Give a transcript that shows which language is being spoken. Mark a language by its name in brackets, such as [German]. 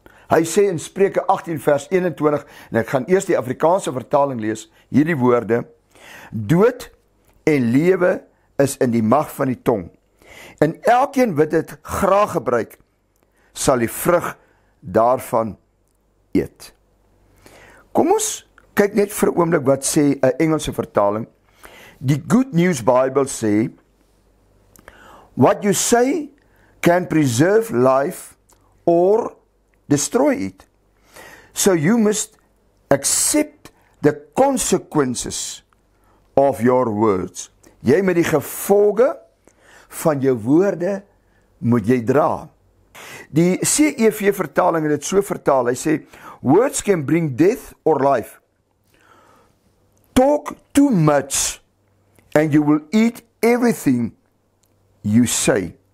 [Afrikaans] Hy sê in Spreuke 18 vers 21, en ek gaan eers die Afrikaanse vertaling lees, hierdie woorde, dood en lewe is in die mag van die tong, en elkeen wat dit graag gebruik, sal die vrug daarvan eet. Kom ons kyk net vir 'n oomblik wat sê 'n Engelse vertaling. Die Good News Bible sê, [English] what you say can preserve life or destroy it, so you must accept the consequences of your words. [Afrikaans] Jy met die gevolge van jou woorde moet jy dra. Die CEV vertaling het dit so vertaal, hy sê, [English] words can bring death or life. Talk too much and you will eat everything you say.